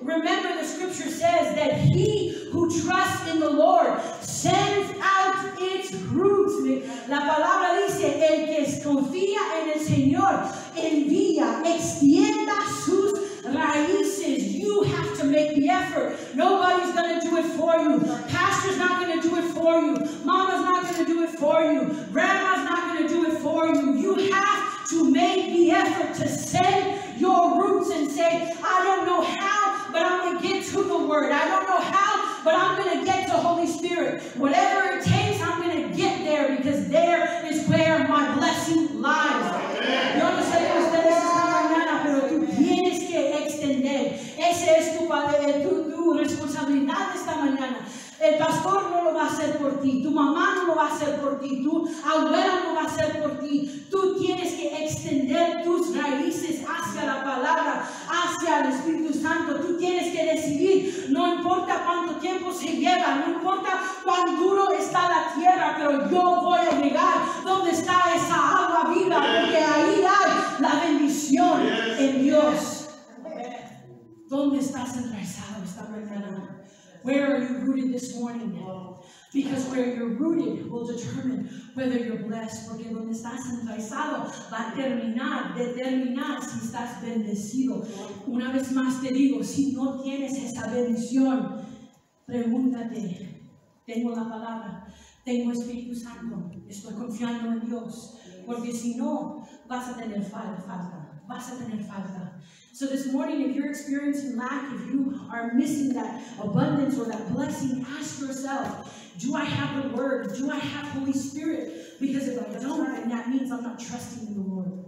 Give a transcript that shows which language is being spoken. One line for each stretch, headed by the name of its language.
English: Remember, the scripture says that he who trusts in the Lord sends out its roots.
Spanish: La palabra dice, el que confía en el Señor envía, extienda sus raíces.
English: You have to make the effort. Nobody's going to do it for you. Pastor's not going to do it for you. Mama's not going to do it for you. Grandma's not going to do it for you. You have to make the effort to send your roots and say, I don't know how, but I'm going to get to the Word. I don't know how, but I'm going to get to Holy Spirit. Whatever it takes, I'm going to get there, because there is where my blessing lies.
Spanish: Yo no sé que ustedes están mañana, pero tú tienes que extender. Ese es tu padre, tu responsabilidad esta mañana. El pastor no lo va a hacer por ti, tu mamá no lo va a hacer por ti, tu abuela no lo va a hacer por ti. Tú tienes que extender tus raíces hacia la palabra, hacia el Espíritu Santo. Tú tienes que decidir, no importa cuánto tiempo se lleva, no importa cuán duro está la tierra, pero yo voy a llegar donde está esa agua viva, porque ahí hay la bendición en Dios. ¿Dónde estás enraizado esta mañana?
English: Where are you rooted this morning? Because where you're rooted will determine whether you're blessed.
Spanish: Porque donde estás enraizado va a determinar si estás bendecido. Una vez más te digo, si no tienes esa bendición, pregúntate, tengo la palabra, tengo Espíritu Santo, estoy confiando en Dios. Porque si no, vas a tener falta. Vas a tener falta.
English: So this morning, if you're experiencing lack, if you are missing that abundance or that blessing, ask yourself, do I have the Word? Do I have Holy Spirit? Because if I don't, then that means I'm not trusting in the Lord.